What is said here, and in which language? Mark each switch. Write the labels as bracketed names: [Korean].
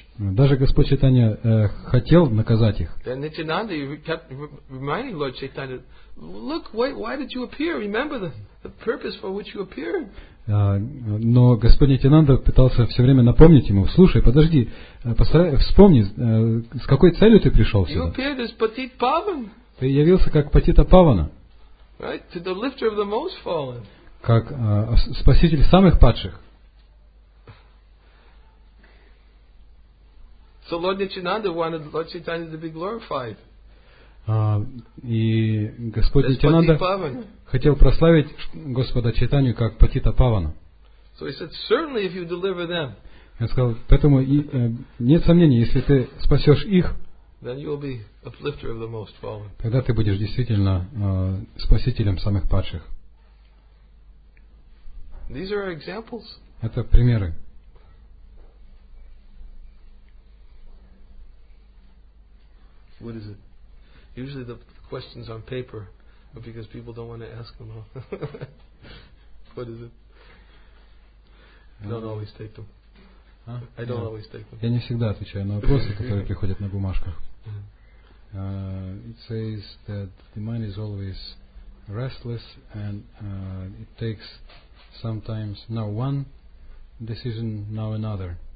[Russian] Даже Господь Чайтанья хотел наказать их. [English] Then Nityananda kept reminding Lord Chaitanya, look, why did you appear? Remember the purpose for which you appeared. [Russian] Но Господь Нитянанда пытался все время напомнить ему, слушай, подожди, вспомни, с какой целью ты пришел сюда. [English] You appeared as Patit Pavan. [Russian] Ты явился как Патита Павана. [English] Right? To the lifter of the most fallen. [Russian] как спаситель самых падших. [English] So Lord Nityananda wanted Lord Chaitanya to be glorified. [Russian] И Господь Нитянанда хотел прославить Господа Чайтанью как Патита Павана. [English] So he said, certainly if you deliver them. [Russian] Я сказал, поэтому нет сомнений, если ты спасешь их, [English] then you will be uplifter of the most fallen. [Russian] Тогда ты будешь действительно спасителем самых падших. [English] These are examples. [Russian] Это примеры. [English] What is it? Usually the questions on paper are because people don't want to ask them. What is it? I don't always take them. [Russian] Я не всегда отвечаю на вопросы, которые приходят на бумажках. [English] It says that the mind is always restless and it takes sometimes now one decision, now another.